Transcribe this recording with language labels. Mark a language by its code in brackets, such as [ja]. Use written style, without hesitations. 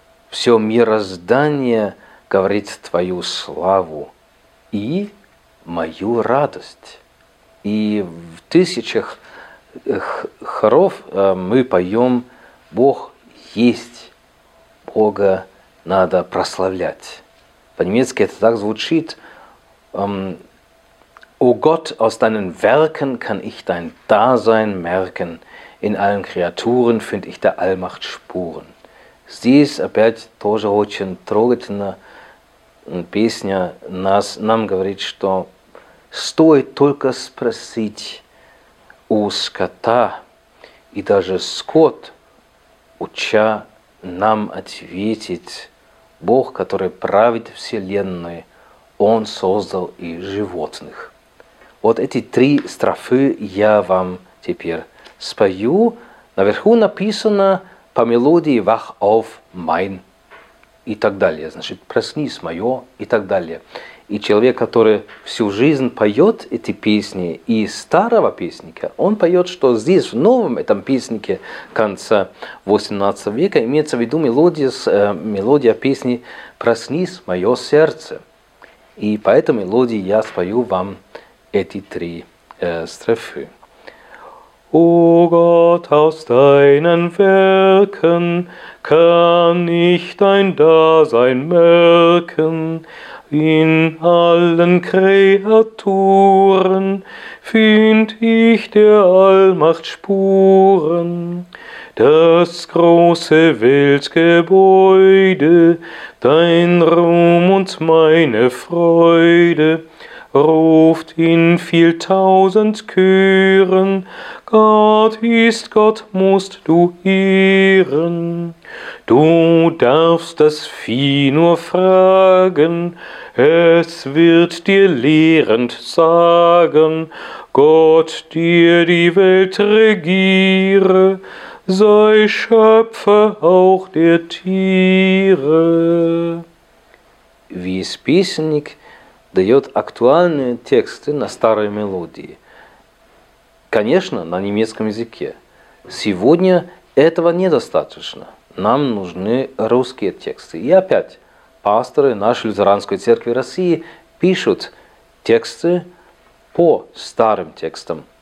[ru] Все мироздание говорит твою славу и мою радость. И в тысячах хоров мы поем «Бог есть, Бога надо прославлять. По-немецки это так звучит. [de] O Gott, aus deinen Werken kann ich dein Dasein merken. In allen Kreaturen find ich der Allmacht Spuren. [ru] Здесь опять тоже очень трогательно песня нам говорит, что стоит только спросить у скота, и даже скот, уча нам ответить, Бог, который правит вселенной, Он создал и животных. Вот эти три строфы я вам теперь спою. Наверху написано по мелодии «Wach auf, mein» и так далее. Значит, «Проснись, мое» и так далее. И человек, который всю жизнь поет эти песни и старого песника, он поет, что здесь, в новом этом песнике конца 18 века, имеется в виду мелодия песни «Проснись, мое сердце». И по этой мелодии я спою вам эти три строфы. [de] O Gott, aus deinen Werken kann ich dein Dasein merken. In allen Kreaturen find ich der Allmacht Spuren. Das große Weltgebäude, dein Ruhm und meine Freude, ruft in viel tausend Chören, Gott ist Gott, musst du ehren. Du darfst das Vieh nur fragen, es wird dir lehrend sagen, Gott, dir die Welt regiere, sei Schöpfer auch der Tiere. Wie es [ru] Песенник дает актуальные тексты на старые мелодии. Конечно, на немецком языке. Сегодня этого недостаточно. Нам нужны русские тексты. И опять, пасторы нашей Лютеранской Церкви России пишут тексты по старым текстам.